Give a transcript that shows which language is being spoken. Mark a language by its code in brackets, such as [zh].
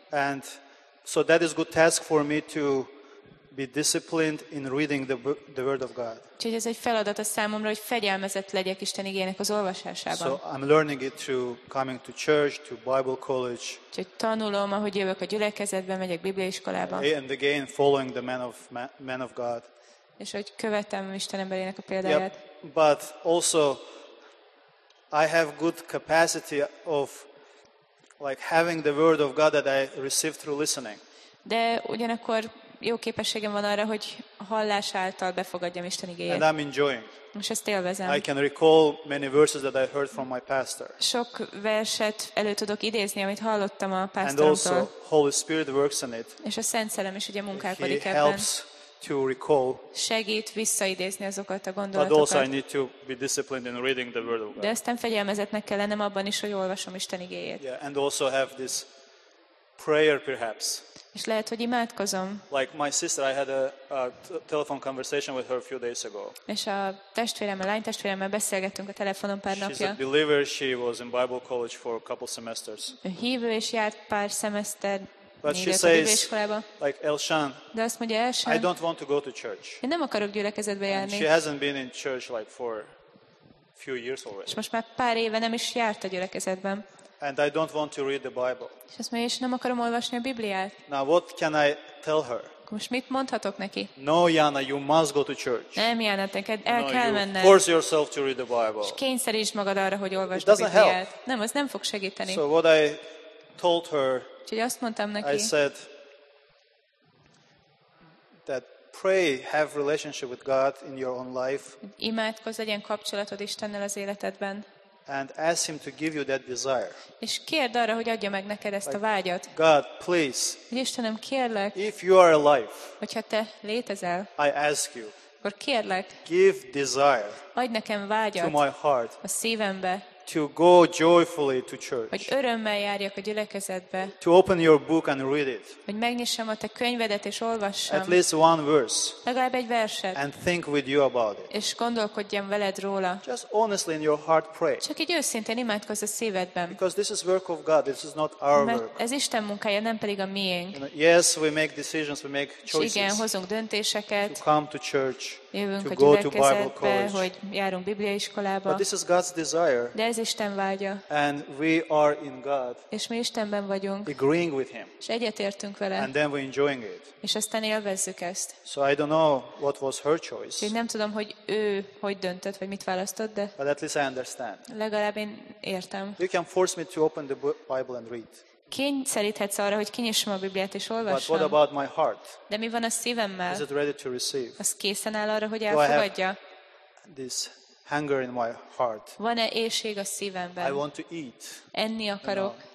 [en] And so that is good task for me to be disciplined in reading the word of God. [hu] Úgyhogy ez egy feladat a számomra, hogy fegyelmezett legyek Isten igének az olvasásában. [en] So I'm learning it through coming to church, to Bible college. [hu] Úgyhogy tanulom, ahogy jövök a gyülekezetbe, megyek bibliaiskolába. [en] And again following the man of God. [hu] És hogy követem Isten emberének a példáját. [en] Yep. But also I have good capacity of like having the word of God that I receive through listening. [hu] De ugyanakkor jó képességem van arra, hogy hallás által befogadjam Isten igéjét. [en] And I'm enjoying. [hu] És ezt élvezem. [en] I can recall many verses that I heard from my pastor. [hu] Sok verset elő tudok idézni, amit hallottam a pásztoromtól. [en] And also Holy Spirit works in it. [hu] És a Szent Szellem is ugye munkálkodik ebben. [en] He helps to recall. [hu] Segít visszaidézni azokat a gondolatokat. [en] But also I need to be disciplined in reading the word of God. [hu] De aztán fegyelmezetnek kell lennem abban is, hogy olvasom Isten igéjét. [en] Yeah, and also have this prayer perhaps. [hu] És lehet, hogy imádkozom. [en] Like my sister, I had a telephone conversation with her a few days ago. [hu] És a testvéremmel, a lánytestvéremmel beszélgettünk a telefonon pár napja. [en] She's a believer, she was in Bible college for a couple semesters. [hu] A hívő és járt pár szemeszter. [en] But she says, like Elshan, [hu] de azt mondja, Elshan, [en] I don't want to go to church. [hu] Én nem akarok gyülekezetbe járni. [en] She hasn't been in church like for a few years already. [hu] És most már pár éve nem is járt a gyülekezetben. [en] And I don't want to read the Bible. [hu] És azt mondja, és nem akarom olvasni a Bibliát. [en] Now what can I tell her? [hu] Most mit mondhatok neki? [en] No, Jana, you must go to church. [hu] Nem, Jana, neked el kell menned. [en] Force yourself to read the Bible. [hu] És kényszerítsd magad arra, hogy olvasd a Bibliát. [en] Help. [hu] Nem, az nem fog segíteni. [en] So what I told her, [hu] úgyhogy azt mondtam neki, [en] I said that pray, have relationship with God in your own life. [hu] Imádkozz, legyen kapcsolatod Istennel az életedben. [en] And ask him to give you that desire. [hu] És kérd arra, hogy adja meg neked ezt a vágyat. [en] God, please. [hu] Istenem, kérlek. [en] If you are alive. [hu] Hogyha te létezel. [en] I ask you. [hu] Akkor kérlek. [en] Give desire. [hu] Adj nekem vágyat. [en] To my heart. [hu] A szívembe. [en] To go joyfully to church. [hu] Hogy örömmel járjak a gyülekezetbe. [en] To open your book and read it. [hu] Hogy megnyissam a te könyvedet és olvassam. [en] At least one verse. [hu] Legalább egy verset. [en] And think with you about it. [hu] És gondolkodjam veled róla. [en] Just honestly in your heart pray. [hu] Csak így őszintén imádkozz a szívedben. [en] Because this is work of God, this is not our work. [hu] Ez Isten munkája, nem pedig a miénk. [en] You know, yes, we make decisions, we make choices. [hu] Igen, hozunk döntéseket. [en] To come to church. [hu] Jövünk a gyülekezetbe, hogy járunk bibliaiskolába. [en] But this is God's desire. [hu] De ez Isten vágya. [en] And we are in God. [hu] És mi Istenben vagyunk. [en] Agreeing with him. [hu] És egyetértünk vele. [en] And then we're enjoying it. [hu] És aztán élvezzük ezt. [en] So I don't know what was her choice. [hu] Én nem tudom, hogy ő hogy döntött, vagy mit választott, de. [en] But at least I understand. [hu] Legalább én értem. [en] You can force me to open the Bible and read. [hu] Kényszeríthetsz arra, hogy kinyissam a Bibliát és olvassam. [en] But what about my heart? [hu] De mi van a szívemmel? [en] Is it ready to receive? [hu] Az készen áll arra, hogy elfogadja? [en] This hunger in my heart. [hu] Van-e éhség a szívemben? [en] I want to eat. [hu] Enni akarok.